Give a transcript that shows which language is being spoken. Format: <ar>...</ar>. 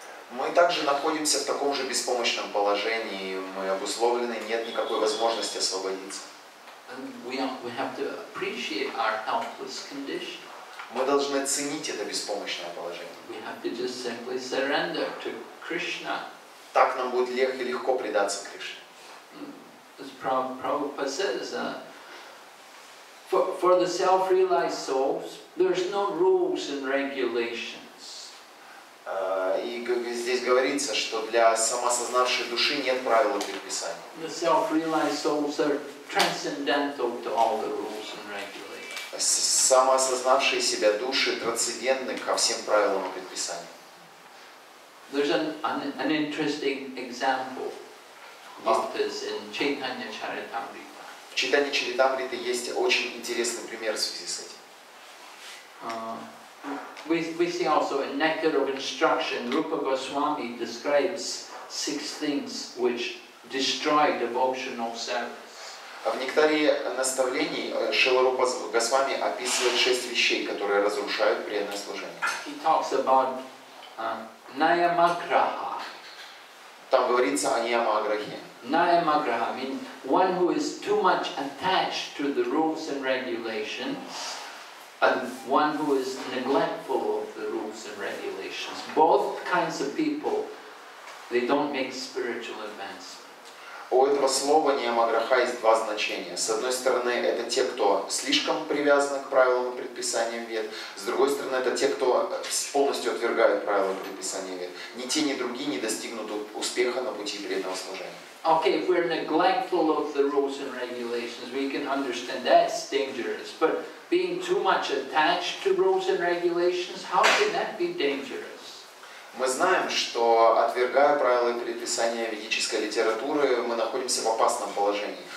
<ru>Мы также находимся в таком же беспомощном положении, мы обусловлены, нет никакой возможности освободиться.</ru> <en>We have to appreciate our helpless condition.</en> <ru>Мы должны ценить это беспомощное положение.</ru> <en>We have to just simply surrender to Krishna.</en> <ru>Так нам будет легко и легко предаться Кришне.</ru> <en>As Prabhupada says, for the self-realized souls, there's no rules and regulations.</en> <ru>И здесь говорится, что для самосознавшей души нет правил и предписаний.</ru> <en>The self-realized souls are transcendental to all the rules and regulations.</en> <ru>Самоосознавшие себя души трансцендентны ко всем правилам и предписаниям.</ru> <en>There's an interesting example of this in Chaitanya Charitamrita.</en> <ru>В Чайтанья Чаритамрите есть очень интересный пример в связи с этим.</ru> <en>We see also in Nectar of Instruction, Rupa Goswami describes six things which destroy devotional service.</en> <ru>В Нектаре наставлений Шрила Рупа Госвами описывает шесть вещей, которые разрушают преданное служение.</ru> <en>He talks about Nayamagraha.</en> <ru>Там говорится о Нияма-аграхе.</ru> <en>Nayamagraha means one who is too much attached to the rules and regulations, and one who is neglectful of the rules and regulations. Both kinds of people, they don't make spiritual advance.</en> <ru>У этого слова Нияма-аграха есть два значения. С одной стороны, это те, кто слишком привязан к правилам и предписаниям вед. С другой стороны, это те, кто полностью отвергает правила и предписания вед. Ни те, ни другие не достигнут успеха на пути преданного служения.</ru> <en>Okay, if we're neglectful of the rules and regulations, we can understand that's dangerous. But being too much attached to rules and regulations, how can that be dangerous?</en> <ru>Мы знаем, что отвергая правила и предписания ведической литературы, мы находимся в опасном положении.</ru>